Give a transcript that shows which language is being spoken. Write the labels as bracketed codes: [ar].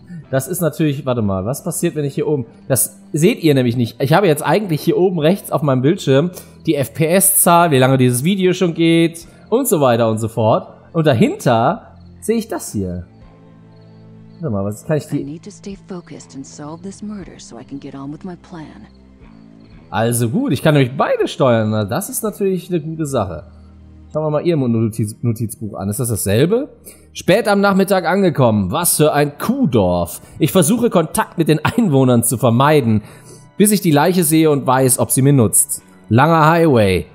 [de] Das ist natürlich, warte mal, was passiert, wenn ich hier oben, das seht ihr nämlich nicht. Ich habe jetzt eigentlich hier oben rechts auf meinem Bildschirm die FPS-Zahl, wie lange dieses Video schon geht und so weiter und so fort. Und dahinter sehe ich das hier. Warte mal, was kann ich die... [en] I need to stay focused and solve this murder so I can get on with my plan. [de] Also gut, ich kann nämlich beide steuern. Na, das ist natürlich eine gute Sache. Schauen wir mal ihr Notizbuch an. Ist das dasselbe? Spät am Nachmittag angekommen. Was für ein Kuhdorf. Ich versuche, Kontakt mit den Einwohnern zu vermeiden, bis ich die Leiche sehe und weiß, ob sie mir nutzt. Langer Highway.